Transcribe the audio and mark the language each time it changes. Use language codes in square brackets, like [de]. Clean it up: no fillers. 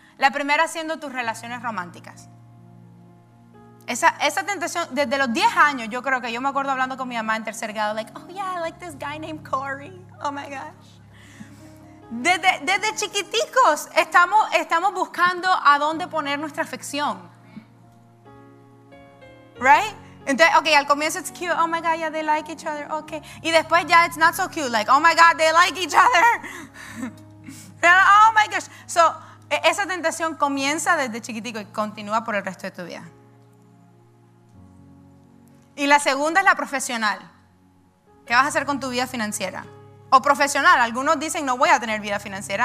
[es] La primera siendo tus relaciones románticas. Esa tentación, desde los 10 años, yo creo que yo me acuerdo hablando con mi mamá en tercer grado, [en] like, oh yeah, I like this guy named Corey. Oh my gosh. [es] Desde chiquiticos estamos buscando a dónde poner nuestra afección. Right? Entonces, okay, al comienzo [en] it's cute. Oh my God, yeah, they like each other. Okay. [es] Y después ya [en] it's not so cute. Like, oh my God, they like each other. Oh my gosh. [es] So, esa tentación comienza desde chiquitico y continúa por el resto de tu vida. Y la segunda es la profesional. ¿Qué vas a hacer con tu vida financiera? O profesional. Algunos dicen, no voy a tener vida financiera.